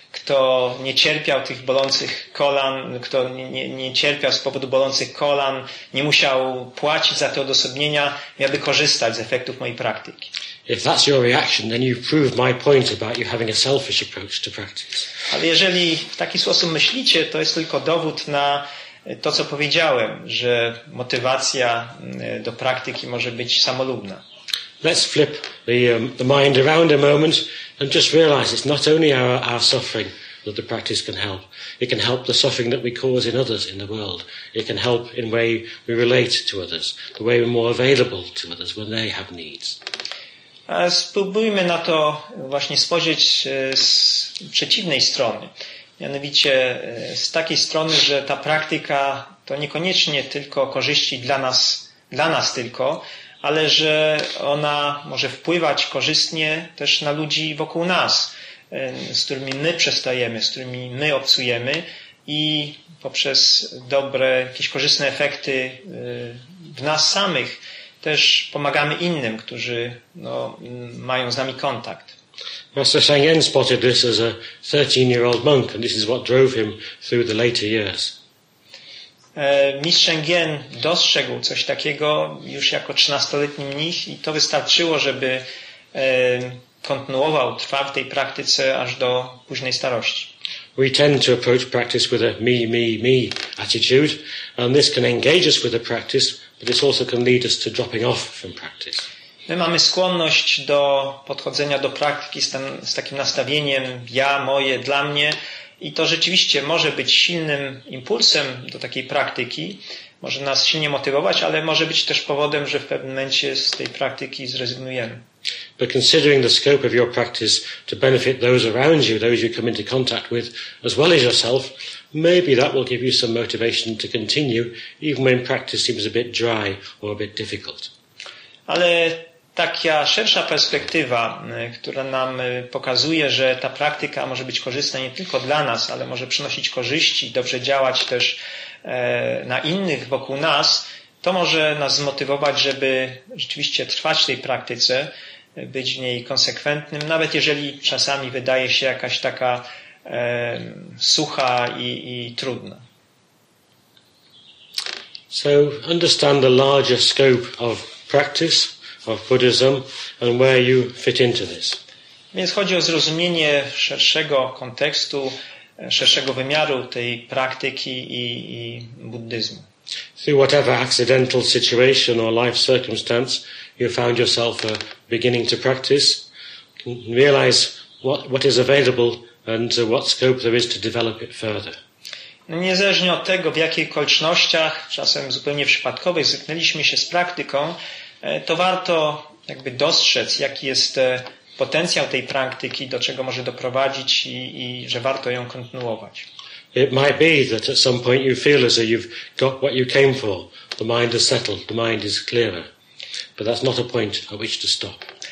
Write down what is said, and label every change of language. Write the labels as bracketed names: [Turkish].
[Polish] kto nie cierpiał tych bolących kolan, kto nie cierpiał z powodu bolących kolan, nie musiał płacić za te odosobnienia, miałby korzystać z efektów mojej praktyki. [English] If that's your reaction, then you prove my point about you having a selfish approach to practice. [Polish] Ale jeżeli w taki sposób myślicie, to jest tylko dowód na to, co powiedziałem, że motywacja do praktyki może być samolubna. [English] Let's flip the mind around a moment and just realize it's not only our suffering that the practice can help. It can help the suffering that we cause in others in the world. It can help in the way we relate to others, the way we're more available to others when they have needs. [Polish] A spróbujmy na to właśnie spojrzeć z przeciwnej strony. Mianowicie z takiej strony, że ta praktyka to niekoniecznie tylko korzyści dla nas tylko, ale że ona może wpływać korzystnie też na ludzi wokół nas, z którymi my przestajemy, z którymi my obcujemy i poprzez dobre, jakieś korzystne efekty w nas samych też pomagamy innym, którzy no, mają z nami kontakt. [English] Master Sangyen spotted this as a 13-year-old monk and this is what drove him through the later years. [Polish] Mistrz Sangyen dostrzegł coś takiego już jako 13-letni mnich i to wystarczyło, żeby kontynuował, trwał w tej praktyce aż do późnej starości. [English] We tend to approach practice with a me, me, me attitude and this can engage us with the practice, but this also can lead us to dropping off from practice. [Polish] My mamy skłonność do podchodzenia do praktyki z takim nastawieniem ja, moje, dla mnie i to rzeczywiście może być silnym impulsem do takiej praktyki, może nas silnie motywować, ale może być też powodem, że w pewnym momencie z tej praktyki zrezygnujemy. [English] But considering the scope of your practice to benefit those around you, those you come into contact with, as well as yourself, maybe that will give you some motivation to continue, even when practice seems a bit dry or a bit difficult. [Polish] Ale taka szersza perspektywa, która nam pokazuje, że ta praktyka może być korzystna nie tylko dla nas, ale może przynosić korzyści, dobrze działać też na innych wokół nas, to może nas zmotywować, żeby rzeczywiście trwać w tej praktyce, być w niej konsekwentnym, nawet jeżeli czasami wydaje się jakaś taka sucha i trudna. [English] So understand the larger scope of practice of Buddhism and where you fit into this. [Polish] Więc chodzi o zrozumienie szerszego kontekstu, szerszego wymiaru tej praktyki i buddyzmu. [English] Through whatever accidental situation or life circumstance you found yourself beginning to practice, realize what is available and what scope there is to develop it further. [Polish] Niezależnie od tego, w jakich okolicznościach, czasem zupełnie przypadkowych, zetknęliśmy się z praktyką, to warto jakby dostrzec, jaki jest potencjał tej praktyki, do czego może doprowadzić i że warto ją kontynuować. [English] It might be that at some point you feel as though you've got what you came for. The mind is settled, the mind is clearer. But that's not a point at which to stop.